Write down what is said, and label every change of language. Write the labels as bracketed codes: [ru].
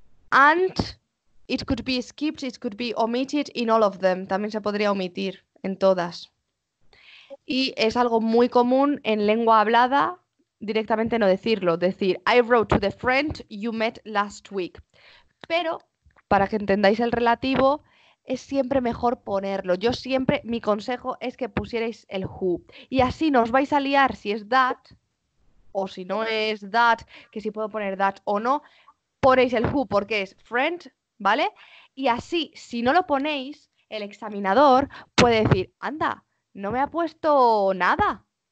[en] And it could be skipped, it could be omitted in all of them. [es] También se podría omitir en todas. Y es algo muy común en lengua hablada directamente no decirlo. [en] Decir, I wrote to the friend you met last week. [es] Pero, para que entendáis el relativo, es siempre mejor ponerlo. Yo siempre, mi consejo es que pusierais el who. Y así no os vais a liar si es that o si no es that, que si puedo poner that o no. Ponéis el who porque es friend, ¿vale? Y así, si no lo ponéis, el examinador puede decir, anda, no me ha puesto nada.